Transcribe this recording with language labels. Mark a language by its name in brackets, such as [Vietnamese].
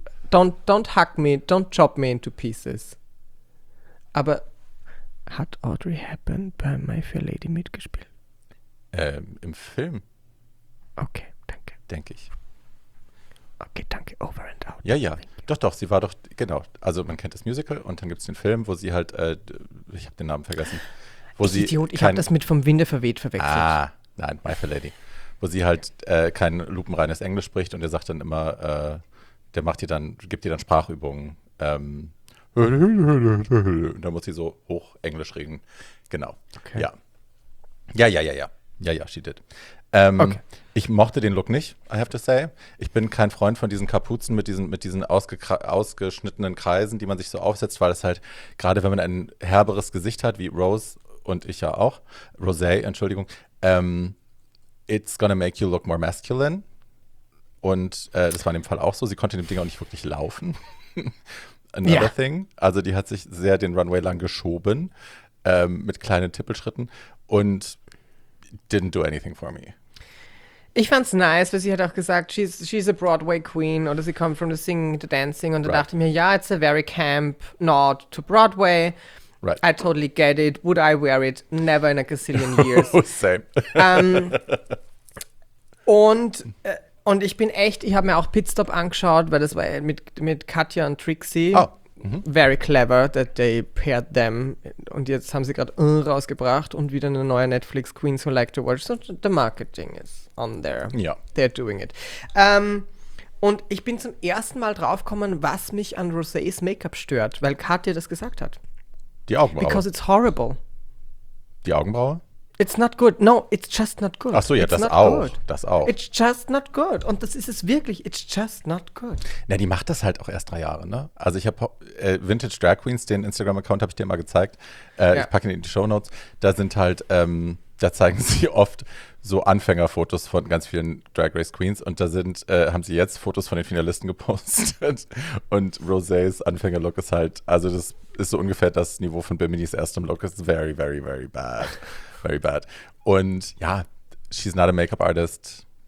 [English] Don't hug me, don't chop me into pieces. [German] Aber hat Audrey Hepburn bei My Fair Lady mitgespielt? Im Film. Okay, danke. Denke ich. Okay, danke, [English] over and out. [German] Ja, ja. Doch, doch, sie war doch, genau, also man kennt das Musical und dann gibt es den Film, wo sie halt, ich habe den Namen vergessen, wo sie Idiot, ich habe das mit Vom Winde verweht verwechselt. Ah, nein, My Fair Lady, wo sie halt kein lupenreines Englisch spricht und der sagt dann immer, der macht ihr dann, gibt ihr dann Sprachübungen, und dann muss sie so hoch Englisch reden, genau, okay. Ja. Ja, ja, ja, ja, ja, ja, [English] she did. [German] Okay. Ich mochte den Look nicht, [English] I have to say. [German] Ich bin kein Freund von diesen Kapuzen mit diesen ausgeschnittenen Kreisen, die man sich so aufsetzt, weil es halt, gerade wenn man ein herberes Gesicht hat, wie Rose und ich ja auch, Rosé, Entschuldigung, [English] It's gonna make you look more masculine. [German] Und das war in dem Fall auch so. Sie konnte in dem Ding auch nicht wirklich laufen. Another yeah. thing. Also die hat sich sehr den Runway lang geschoben mit kleinen Tippelschritten und [English] didn't do anything for me. [German] Ich fand's nice, weil sie hat auch gesagt, [English] she's a Broadway queen [German] oder sie kommt [English] from the singing to dancing [German] und da right. dachte ich mir, ja, [English] it's a very camp nod to Broadway. Right. I totally get it. Would I wear it? Never in a gazillion years. Same. [German] Und ich bin echt, ich habe mir auch Pitstop angeschaut, weil das war mit Katja und Trixie. [English] Oh. Mhm. Very clever that they paired them. [German] Und jetzt haben sie gerade rausgebracht und wieder eine neue Netflix Queens Who Like to Watch. [English] So the marketing is on there. [German] Ja. [English] They're doing it. [German] Und ich bin zum ersten Mal draufgekommen, was mich an Rosés Make-up stört, weil Katja das gesagt hat. Die Augenbraue. [English] Because it's horrible. [German] Die Augenbraue? [English] It's not good. No, it's just not good. [German] Ach so, ja, [English] it's [German] das auch. Good. Das auch. [English] It's just not good. [German] Und das ist es wirklich. [English] It's just not good. [German] Na, die macht das halt auch erst 3 Jahre, ne? Also ich habe Vintage Drag Queens, den Instagram-Account habe ich dir mal gezeigt. Ja. Ich packe ihn in die Shownotes. Da sind halt, da zeigen sie oft so Anfängerfotos von ganz vielen Drag Race Queens. Und da sind, haben sie jetzt Fotos von den Finalisten gepostet. Und Rosés Anfängerlook ist halt, also das ist so ungefähr das Niveau von Bimini's erstem Look. [English] It's very, very, very bad. Very bad. [German] Und ja, [English] she's not a makeup artist.